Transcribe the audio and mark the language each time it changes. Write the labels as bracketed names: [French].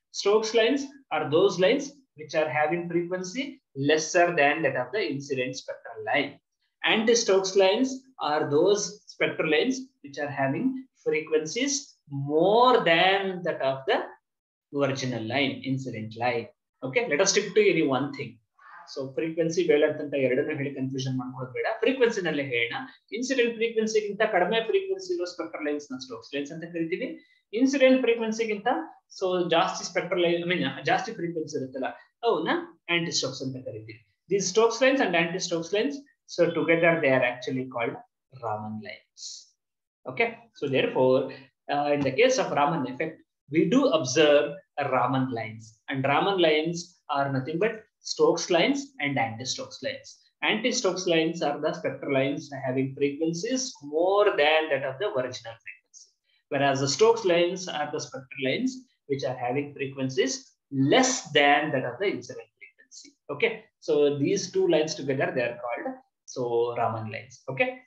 [English] Stokes lines are those lines which are having frequency lesser than that of the incident spectral line. Anti-Stokes lines are those spectral lines which are having frequencies more than that of the original line, incident line. Okay, let us stick to any one thing. [Kannada] So frequency wavelength ಅಂತ ಎರಡನೇ ಹೇಳಿ confusion ಮಾಡ್ಕೊಳ್ಳೋದು ಬೇಡ. Frequency ನಲ್ಲಿ ಹೇಳೋಣ. Incident ಫ್ರೀಕ್ವೆನ್ಸಿಗಿಂತ ಕಡಿಮೆ frequency ಇರೋ spectral lines ನ ಸ್ಟೋಕ್ಸ್ ಲೈನ್ಸ್ ಅಂತ ಕರಿತೀವಿ. ಇನ್ಸಿಡೆಂಟ್ ಫ್ರೀಕ್ವೆನ್ಸಿಗಿಂತ ಸೊ ಜಾಸ್ತಿ ಸ್ಪೆಕ್ಟ್ರಲ್ ಲೈನ್ ಐ ಮೀನ್ ಜಾಸ್ತಿ ಫ್ರೀಕ್ವೆನ್ಸಿ ಇರುತ್ತಲ್ಲ ಅವನ್ನ ಆಂಟಿ ಸ್ಟೋಕ್ಸ್ ಅಂತ ಕರಿತೀವಿ. [English] This Stokes lines and anti Stokes lines so together they are actually called Raman lines. Okay. So therefore in the case of Raman effect we do observe Raman lines and Raman lines are nothing but Stokes lines and anti-Stokes lines. Anti-Stokes lines are the spectral lines having frequencies more than that of the original frequency. Whereas the Stokes lines are the spectral lines which are having frequencies less than that of the incident frequency. Okay. So these two lines together, they are called so Raman lines. Okay.